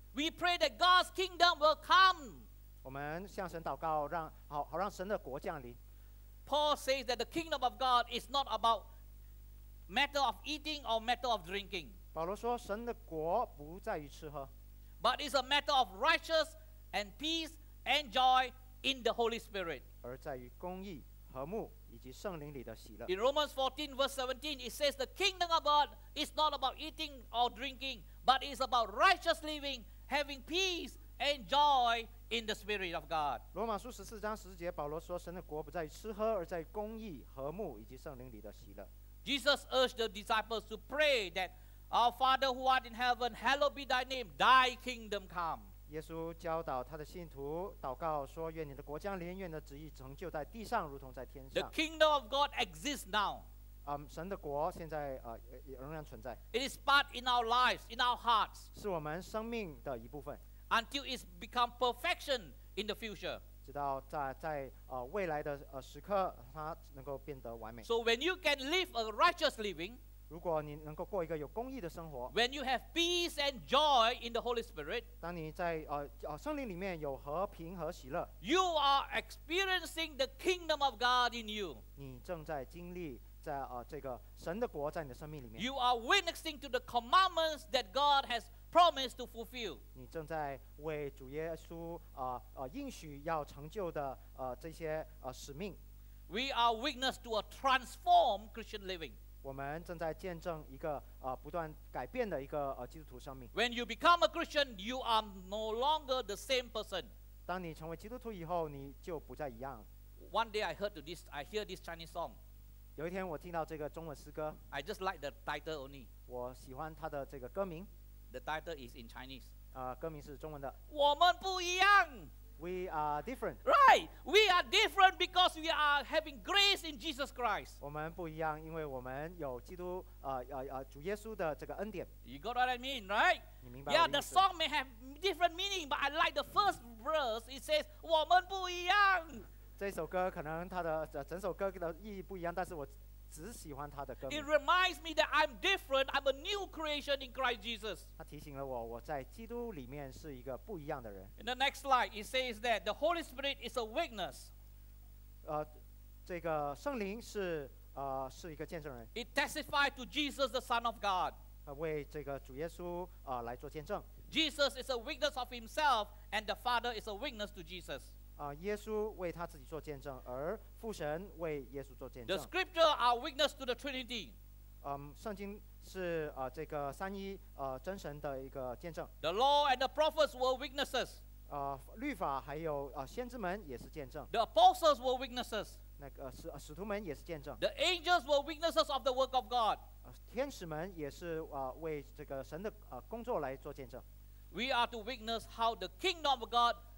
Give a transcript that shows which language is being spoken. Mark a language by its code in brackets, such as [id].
[en] We pray that God's kingdom will come. [zh] 我们向神祷告，让好好让神的国降临。 [en] Paul says that the kingdom of God is not about matter of eating or matter of drinking. [zh] 保罗说，神的国不在于吃喝。 [en] But it's a matter of righteous and peace and joy in the Holy Spirit. [zh] 而在于公义、和睦以及圣灵里的喜乐。 [en] In Romans 14 verse 17, it says the kingdom of God is not about eating or drinking, but it's about righteous living, having peace and joy in the Spirit of God. [zh] 罗马书十四章十节，保罗说，神的国不在于吃喝，而在于公义、和睦以及圣灵里的喜乐。 [en] Jesus urged the disciples to pray that. Our Father who art in heaven, hallowed be thy name, thy kingdom come. [zh] 耶稣教导他的信徒祷告说，愿你的国降临，愿你的旨意成就在地上如同在天上。 [en] The kingdom of God exists now. [zh] 神的国现在仍然存在。 [en] It is part in our lives, in our hearts. [zh] 是我们生命的一部分。 [en] Until it becomes perfection in the future. [zh] 直到在未来的时刻它能够变得完美。 [en] So when you can live a righteous living, [zh] 如果你能够过一个有公义的生活 [en] ，When you have peace and joy in the Holy Spirit， [zh] 当你在圣灵里面有和平和喜乐 [en] ，You are experiencing the kingdom of God in you。 [zh] 你正在经历在这个神的国在你的生命里面。 [en] You are witnessing to the commandments that God has promised to fulfill。 [zh] 你正在为主耶稣应许要成就的这些使命。 [en] We are witness to a transformed Christian living。 [zh] 我们正在见证一个不断改变的一个基督徒生命。 [en] When you become a Christian, you are no longer the same person. [zh] 当你成为基督徒以后，你就不再一样。 [en] One day I hear this Chinese song. [zh] 有一天我听到这个中文诗歌。 [en] I just like the title only. [zh] 我喜欢它的这个歌名。 [en] The title is in Chinese. [zh] 歌名是中文的。我们不一样。 [en] We are different. Right. We are different because we are having grace in Jesus Christ. [zh] 我们不一样，因为我们有基督主耶稣的这个恩典。 [en] You got what I mean, right? [zh] 你明白 [en] ？Yeah, the song may have different meaning, but I like the first verse. It says, [zh] 我们不一样。这首歌可能它的整首歌的意义不一样，但是我只喜欢它的歌名。 [en] It reminds me that I'm different. I'm a new creation in Christ Jesus. [zh] 它提醒了我，我在基督里面是一个不一样的人。 [en] In the next slide, it says that the Holy Spirit is a witness. [zh] 这个圣灵是一个见证人。 [en] It testifies to Jesus, the Son of God. [zh] 为这个主耶稣来做见证。 [en] Jesus is a witness of himself, and the Father is a witness to Jesus. [zh] 耶稣为他自己做见证，而父神为耶稣做见证。 [en] The scripture are witness to the Trinity. [zh] 圣经是这个三一真神的一个见证。 [en] The law and the prophets were witnesses. [zh] 律法还有先知们也是见证。 [en] The apostles were witnesses. [zh] 那个使徒们也是见证。 [en] The angels were witnesses of the work of God. [zh] 天使们也是为这个神的工作来做见证。 [en] We are to witness how the kingdom of God.